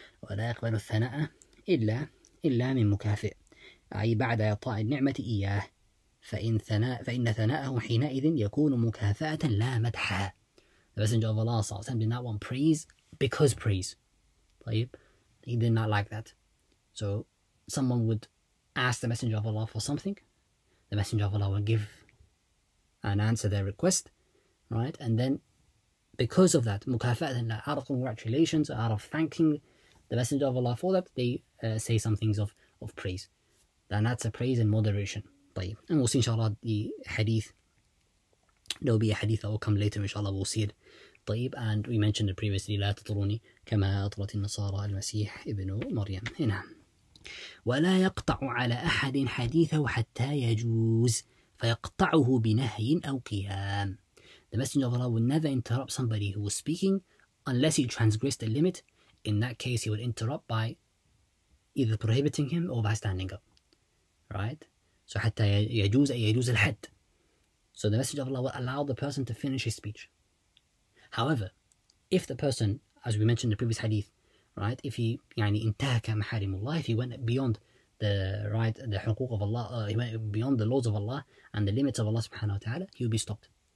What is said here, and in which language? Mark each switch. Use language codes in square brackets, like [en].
[ar] ولا يقبل الثناء إلا من مكافئ, أي بعد إعطاء النعمة إياه, فإن ثناءه حينئذ يكون مكافأة لا مدحا. [en] The Messenger of Allah sallallahu alaihi wasallam did not want praise because praise. He did not like that. So someone would ask the Messenger of Allah for something. The Messenger of Allah would give and answer their request, right? And then because of that, mukafa'atan, out of congratulations, out of thanking the Messenger of Allah for that, they say some things of praise. Then that's a praise in moderation. And we'll see inshallah the hadith. There will be a hadith that will come later, inshallah, we'll see it. [ar] طيب, [en] and we mentioned it previously, [ar] لا تطروني كما أطرت النصارى المسيح ابن مريم. هنا ولا يقطع على أحد حديثه حتى يجوز فيقطعه بنهي أو قيام. [en] The Messenger of Allah will never interrupt somebody who was speaking unless he transgressed the limit. In that case, he would interrupt by either prohibiting him or by standing up. [ar] Right? So حتى يجوز أي يجوز الحد. [en] So the Messenger of Allah will allow the person to finish his speech. However, if the person, as we mentioned in the previous hadith, right, if he يعني [ar] انتهك محارم الله, [en] if he went beyond the right, the حقوق of Allah, he went beyond the laws of Allah and the limits of Allah subhanahu wa ta'ala, he will be stopped.